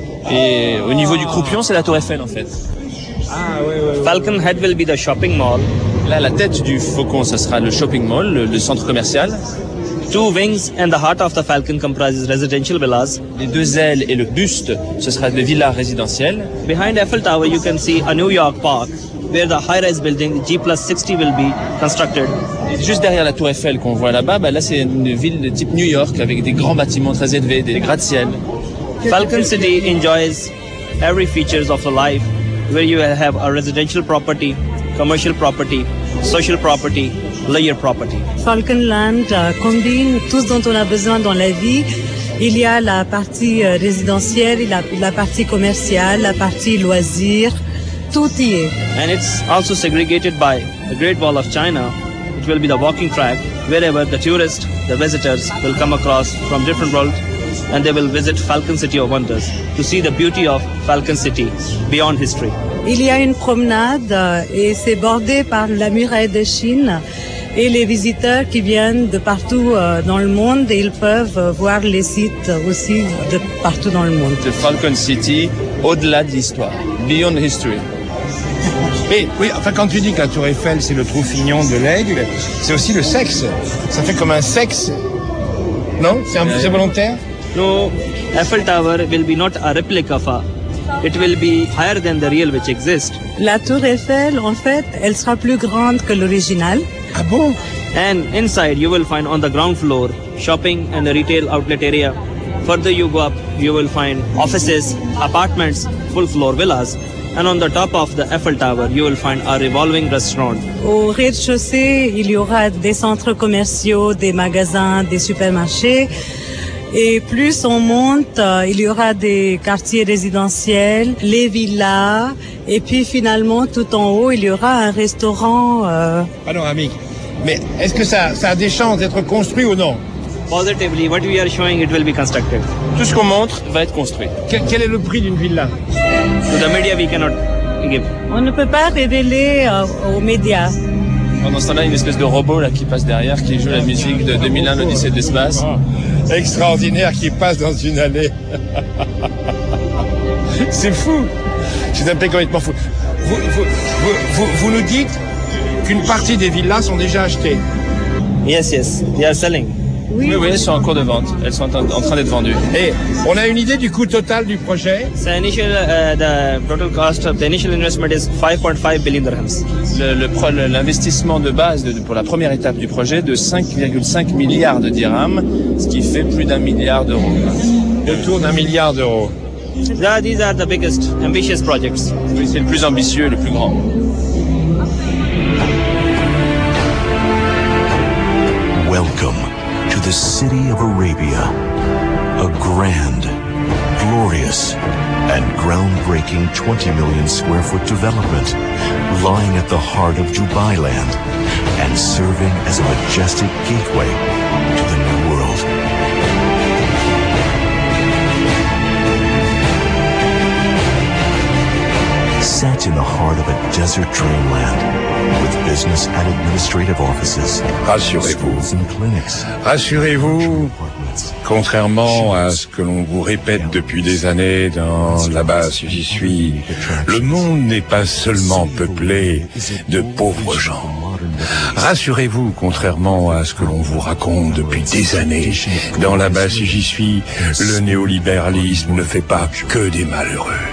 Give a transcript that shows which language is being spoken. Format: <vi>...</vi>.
<fr>Et au niveau du croupion, c'est la tour Eiffel, en fait. Ah, ouais, ouais.</fr> <en>Falcon</en> <fr>ouais.</fr> <en>Head will be the shopping mall.</en> <fr>Là, la tête du faucon, ça sera le shopping mall, le centre commercial.</fr> <en>Two wings and the heart of the falcon comprises residential villas.</en> <fr>Les deux ailes et le buste, ce sera des villas résidentielles.</fr> <en>Behind Eiffel Tower, you can see a New York park, where the high-rise building G+60 will be constructed.</en> <fr>Juste derrière la tour Eiffel qu'on voit là-bas, bah là c'est une ville de type New York avec des grands bâtiments très élevés, des gratte-ciels.</fr> <en>Falcon City enjoys every features of the life where you have a residential property, commercial property, social property, layer property.</en> <fr>Falcon Land combine tout ce dont on a besoin dans la vie. Il y a la partie résidentielle, la partie commerciale, la partie loisir, tout y est.</fr> <en>And it's also segregated by the Great Wall of China. It will be the walking track wherever the tourists, the visitors will come across from different world and they will visit Falcon City of Wonders to see the beauty of Falcon City beyond history.</en> <fr>Il y a une promenade et c'est bordé par la muraille de Chine et les visiteurs qui viennent de partout dans le monde et ils peuvent voir les sites aussi de partout dans le monde. The Falcon City au-delà de l'histoire,</fr> <en>beyond history.</en> <fr>Mais oui, enfin, quand tu dis que la tour Eiffel, c'est le troufignon de l'aigle, c'est aussi le sexe. Ça fait comme un sexe. Non? C'est volontaire?</fr> <en>No, Eiffel Tower will be not a replica of a. It will be higher than the real which exists.</en> <fr>La tour Eiffel, en fait, elle sera plus grande que l'original. Ah bon?</fr> <en>And inside, you will find on the ground floor, shopping and the retail outlet area. Further you go up, you will find offices, apartments, full floor villas. And on the top of the Eiffel Tower, you will find a revolving restaurant.</en> <fr>Au rez-de-chaussée, il y aura des centres commerciaux, des magasins, des supermarchés. Et plus on monte, il y aura des quartiers résidentiels, les villas, et puis finalement, tout en haut, il y aura un restaurant. Panoramique. Mais est-ce que ça a des chances d'être construit ou non?</fr> <en>Positively, what we are showing, it will be constructed.</en> <fr>Tout ce qu'on montre va être construit. Quel est le prix d'une villa?</fr> <en>To the media, we cannot give.</en> <fr>On ne peut pas révéler aux médias. Pendant ce temps-là, une espèce de robot là, qui passe derrière, qui joue la musique de 2001, l'Odyssée de l'espace. Extraordinaire, qui passe dans une allée. C'est fou. C'est un peu complètement fou. Vous nous dites qu'une partie des villas sont déjà achetées.</fr> <en>Yes, they are selling.</en> <fr>Oui, elles sont en cours de vente. Elles sont en train d'être vendues. Et on a une idée du coût total du projet.</fr> <en>The initial, the total cost of the initial investment is 5.5 billion dirhams.</en> <fr>L'investissement de base pour la première étape du projet de 5,5 milliards de dirhams, ce qui fait plus d'un milliard d'euros. Autour d'un milliard d'euros.</fr> <en>Yeah, these are the biggest ambitious projects.</en> <fr>Oui, c'est le plus ambitieux et le plus grand.</fr> <en>Welcome to the city of Arabia, a grand, glorious, and groundbreaking 20 million square foot development lying at the heart of Dubai land and serving as a majestic gateway to the new world. Set in the heart of a desert dreamland, with business and administrative offices,</en> <fr>rassurez-vous,</fr> <en>and clinics,</en> <fr>rassurez-vous, contrairement à ce que l'on vous répète depuis des années dans la base où j'y suis, le monde n'est pas seulement peuplé de pauvres gens. Rassurez-vous, contrairement à ce que l'on vous raconte depuis des années, dans la base où j'y suis, le néolibéralisme ne fait pas que des malheureux.</fr>